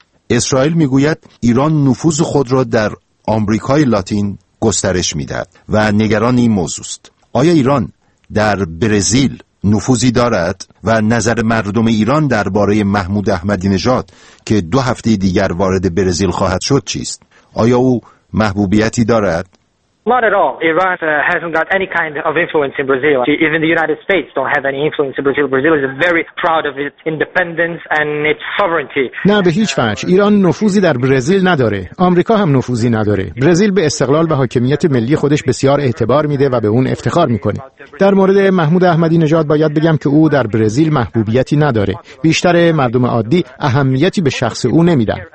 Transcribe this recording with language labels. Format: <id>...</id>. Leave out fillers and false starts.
<fa>اسرائیل میگوید ایران نفوذ خود را در آمریکای لاتین گسترش میدهد و نگران این موضوع است. آیا ایران در برزیل نفوذی دارد و نظر مردم ایران درباره محمود احمدی نژاد که دو هفته دیگر وارد برزیل خواهد شد چیست؟ آیا او محبوبیتی دارد؟</fa> <en>Not at all. Iran hasn't got any kind of influence in Brazil. Even the United States don't have any influence in Brazil. Brazil is very proud of its independence and its sovereignty.</en> <fa>نه به هیچ وجه. ایران نفوذی در برزیل نداره. آمریکا هم نفوذی نداره. برزیل به استقلال و حاکمیت ملی خودش بسیار اعتبار میده و به اون افتخار میکنه. در مورد محمود احمدی نژاد باید بگم که او در برزیل محبوبیتی نداره. بیشتر مردم عادی اهمیتی به شخص او نمیدن.</fa>